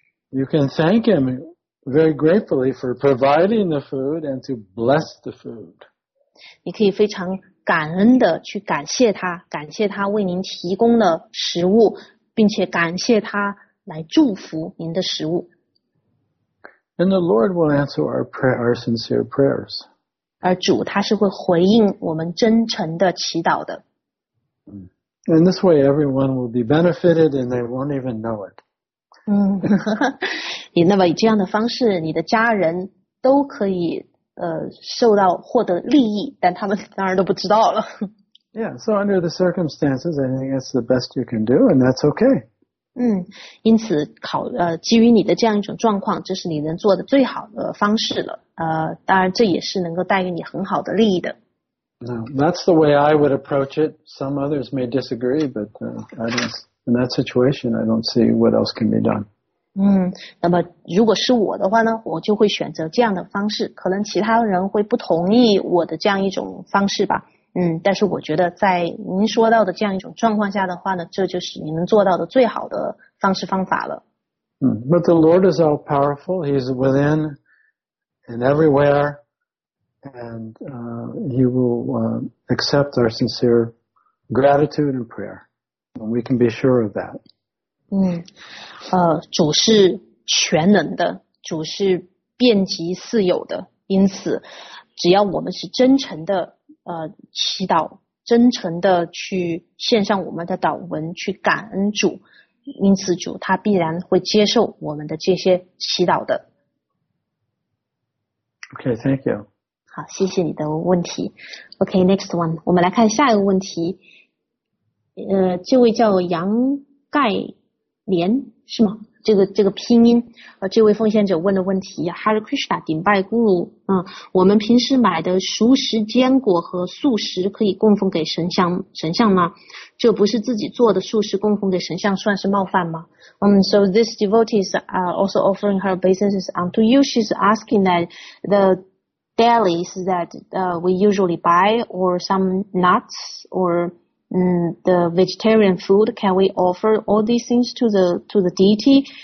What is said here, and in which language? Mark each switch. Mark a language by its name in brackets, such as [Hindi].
[English] You can thank him very gratefully for providing the food and to bless the food. [Chinese] 你可以非常感恩的去感谢他，感谢他为您提供了食物，并且感谢他来祝福您的食物。 [English] And the Lord will answer our sincere prayers. [Chinese] 而主他是会回应我们真诚的祈祷的。 [English] And this way everyone will be benefited and they won't even know it. [Chinese] 你那么以这样的方式，你的家人都可以受到获得利益，但他们当然都不知道了。 [English] Yeah, so under the circumstances, I think it's the best you can do, and that's okay. [Chinese] 因此基于你的这样一种状况，这是你能做的最好的方式了。当然这也是能够带给你很好的利益的。 [English] That's the way I would approach it. Some others may disagree, but I don't. In that situation, I don't see what else can be done. [Chinese] 那么如果是我的话呢，我就会选择这样的方式。可能其他人会不同意我的这样一种方式吧。但是我觉得在您说到的这样一种状况下的话呢，这就是您能做到的最好的方式方法了。 [English] But the Lord is all powerful. He's within and everywhere, and He will accept our sincere gratitude and prayer. We can be sure of that. [Chinese] 主是全能的，主是遍及四有的，因此只要我们是真诚的祈祷，真诚的去献上我们的祷文，去感恩主，因此主他必然会接受我们的这些祈祷的。 [English] Okay, thank you. [Chinese] 好，谢谢你的问题。 [English] Okay, next one. [Chinese] 我们来看下一个问题。这位叫杨盖莲是吗？这个拼音，这位奉献者问的问题 ，Hare Krishna， 顶拜咕噜。我们平时买的熟食坚果和素食可以供奉给神像吗？这不是自己做的素食供奉给神像，算是冒犯吗？ [English] So this devotee is also offering her obeisances unto you. She's asking that the dailies that we usually buy or some nuts or the vegetarian food, can we offer all these things to the deity?